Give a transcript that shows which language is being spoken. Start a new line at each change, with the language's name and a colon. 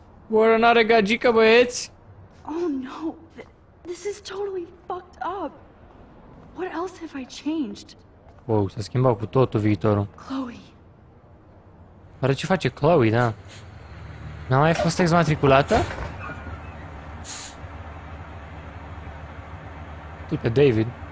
Romanian: Warren are gagica, băieți?
English: Oh no, this is totally fucked up. What else have I changed?
Romanian: Wow, s-a schimbat cu totul viitorul. Chloe. Oare ce face Chloe, da? N-a mai fost exmatriculată? Tu pe David.